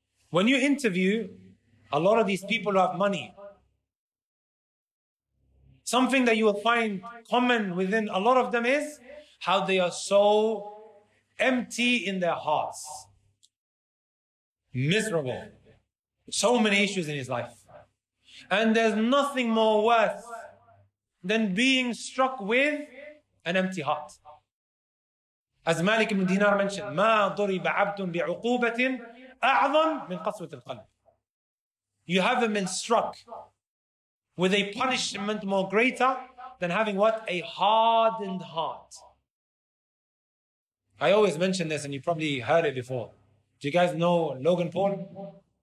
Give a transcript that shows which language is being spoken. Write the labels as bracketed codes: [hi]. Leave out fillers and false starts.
[en] When you interview a lot of these people who have money, something that you will find common within a lot of them is how they are so empty in their hearts. Miserable. So many issues in his life. And there's nothing more worse than being struck with an empty heart. As Malik ibn Dinar mentioned, [ar] مَا ضُرِبَ عَبْدٌ بِعُقُوبَةٍ أَعْظَمْ مِنْ قَصْوَةِ الْقَلْبِ. [en] You haven't been struck with a punishment more greater than having what? A hardened heart. I always mention this and you probably heard it before. Do you guys know Logan Paul?